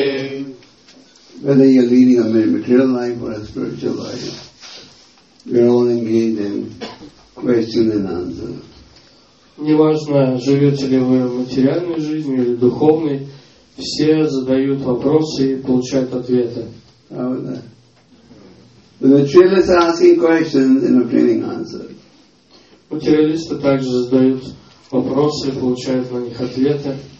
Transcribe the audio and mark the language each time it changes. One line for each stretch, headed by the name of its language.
English: Whether you're leading a material life or a spiritual life, we're all engaged in question and answer.
Russian: Неважно, живете ли вы материальной жизнью или духовной, все задают вопросы и получают ответы. Правда?
English: The materialists are asking questions and obtaining answers.
Russian: Материалисты также задают вопросы и получают на них ответы.